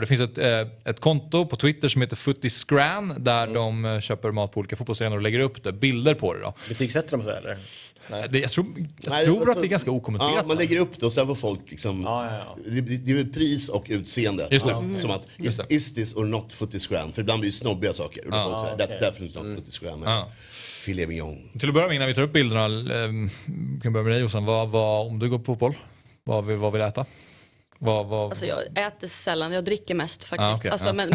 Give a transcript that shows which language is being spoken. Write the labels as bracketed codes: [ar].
[sv] Det finns ett konto på Twitter som heter FootyScran. Där de köper mat på olika fotbollsarenor och lägger upp det, bilder på det. Betygsätter de så eller? Nej. Jag tror att det är ganska okommenterat. Ja, man lägger upp det och sen får folk liksom, det är pris och utseende. Just det. Som att, [en] is this or not FootyScran? [sv] För ibland blir det snobbiga saker. Och folk säger, [en] that's definitely not FootyScran. [sv] Filet mignon. Till att börja med, innan vi tar upp bilderna, kan börja med dig, Jossan. Om du går på fotboll, vad vill du äta? Alltså jag äter sällan, jag dricker mest faktiskt.